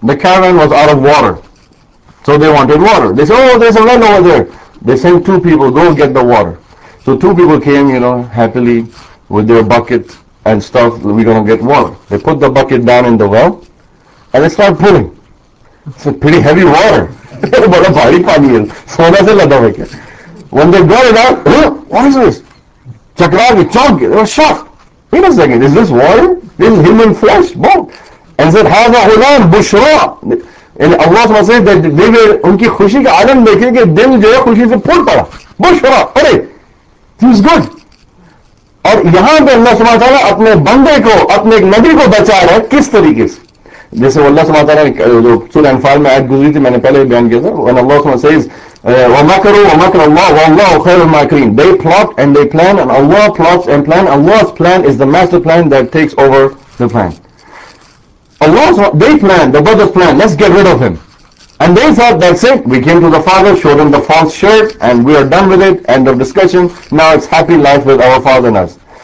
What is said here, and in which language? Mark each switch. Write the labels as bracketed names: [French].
[English] The caravan was out of water. So they wanted water. They said, oh, there's a well over there. They sent two people, go get the water. So two people came, you know, happily with their bucket and stuff, we're going to get water. They put the bucket down in the well and they start pulling. It's a pretty heavy water. [Urdu] بڑا بھاری پانی ہے, سونا سے لدا ہوا. [English] When they got it out, what is this? [Urdu] چکرا کے چونک کے, [English] they were shocked. Wait a second, is this water? This is human flesh? What? And said, [Arabic] هذا غلام بشرا. [English] And Allah SWT said that they were, [Urdu] ان کی خوشی کا عالم دیکھے کہ دل جو ہے خوشی سے پھول پڑا. [English] بشرا, ارے, this is good. [Urdu] اور یہاں پہ اللہ سبحانہ وتعالیٰ اپنے بندے کو, اپنے ایک نبی کو بچا رہا ہے کس طریقے سے. جیسے اللہ سبحانہ وتعالیٰ جو سورہ انفال میں آیت گزری تھی, میں نے پہلے بھی بیان کیا تھا, [English] when Allah SWT says [Arabic] وَمَكَرُوا وَمَكَرَ اللَّهُ وَاللَّهُ خَيْرُ الْمَاكِرِينَ. [English] They plot and they plan, and Allah plots and plan. Allah's plan is the master plan that takes over the plan. They plan, the brothers plan, let's get rid of him. And they thought, that's it, we came to the father, showed him the false shirt, and we are done with it, end of discussion, now it's happy life with our father and us.